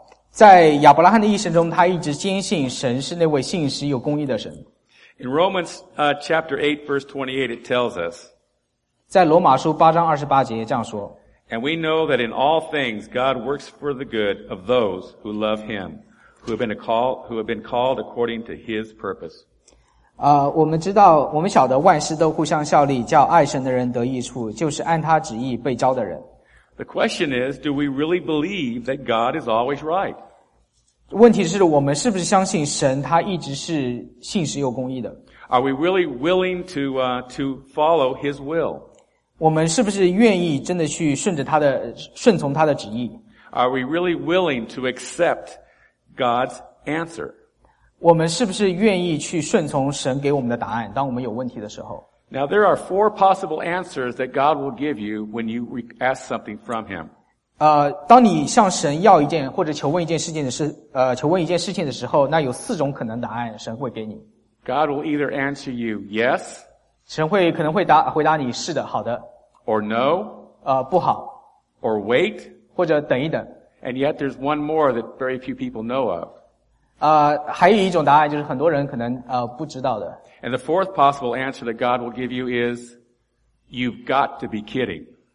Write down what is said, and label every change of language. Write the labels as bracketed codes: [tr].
[zh] 在亚伯拉罕的一生中，他一直坚信神是那位信实又公义的神。 [en] In Romans chapter 8 verse 28, it tells us, [zh] 在罗马书八章二十八节这样说 [en] And we know that in all things God works for the good of those who love him, who have been called according to his purpose. [zh] 我们晓得万事都互相效力，叫爱神的人得益处，就是按他旨意被召的人。 [en] The question is, do we really believe that God is always right? [zh] 问题是我们是不是相信神他一直是信实又公义的？ [en] Are we really willing to follow his will? [zh] 我们是不是愿意真的去顺从他的旨意？ [en] Are we really willing to accept God's answer? [zh] 我们是不是愿意去顺从神给我们的答案？当我们有问题的时候。 [en] Now there are 4 possible answers that God will give you when you ask something from Him. [zh] 当你向神要一件或者求问一件事情的时候，那有四种可能答案神会给你。 [en] God will either answer you yes. [zh] 神会可能会回答你是的好的 [en] or no [zh] 不好。 [en] Or wait. [zh] 或者等一等。 [en] And yet there's one more that very few people know of. [zh] 还有一种答案就是很多人可能不知道的。 [en] And the fourth possible answer that God will give you is, you've got to be kidding.